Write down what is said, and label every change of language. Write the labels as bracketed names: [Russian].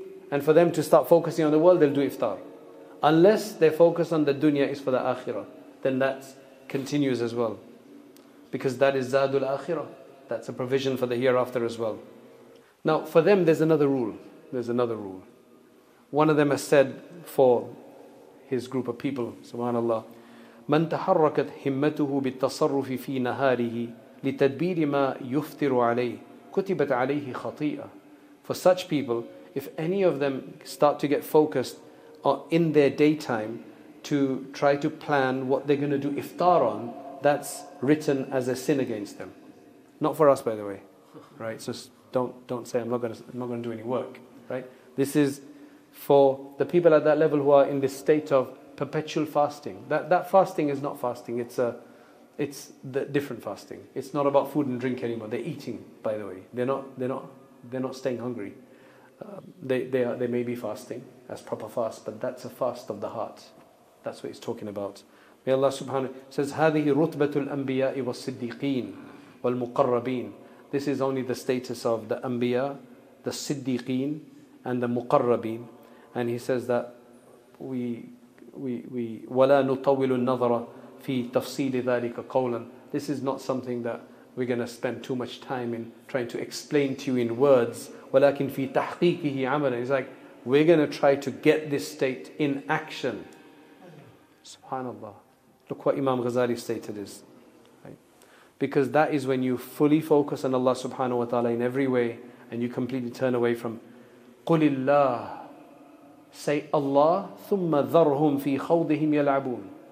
[English] And for them to start focusing on the world, they'll do iftar. Unless their focus on the dunya is for the akhirah, then that continues as well. Because that is Zadul Akhirah. That's a provision for the hereafter as well. Now, for them, there's another rule. There's another rule. One of them has said for his group of people, [Arabic] subhanAllah, مَنْ تَحَرَّكَتْ هِمَّتُهُ بِالتَّصَرُّفِ فِي نَهَارِهِ لِتَدْبِيرِ مَا يُفْتِرُ عَلَيْهِ كُتِبَتْ عَلَيْهِ خَطِيئًا. [English] For such people, if any of them start to get focused in their daytime to try to plan what they're going to do iftar on, that's written as a sin against them. Not for us, by the way. Right? So don't say, I'm not going to do any work. Right? This is for the people at that level who are in this state of perpetual fasting. That fasting is not fasting. It's the different fasting. It's not about food and drink anymore. They're eating, by the way. They're not staying hungry. They may be fasting as proper fast, but that's a fast of the heart. That's what he's talking about. May Allah subhanahu says, [Arabic] هذه رتبة الأنبياء والصديقين والمقربين. [English] This is only the status of the Anbiya, the Siddiqeen, and the Muqarrabin. And he says that we [Arabic] ولا نطول النظر في تفصيل ذلك قولا. [English] This is not something that we're going to spend too much time in trying to explain to you in words. [Arabic] ولكن في تحقيقه عملا. [English] He's like, we're going to try to get this state in action. Subhanallah. Look what Imam Ghazali stated is. Right? Because that is when you fully focus on Allah subhanahu wa ta'ala in every way and you completely turn away from [Arabic] قُلِ اللَّهِ. [English] Say Allah [Arabic] ثُمَّ ذَرْهُمْ فِي خَوْضِهِمْ يَلْعَبُونَ.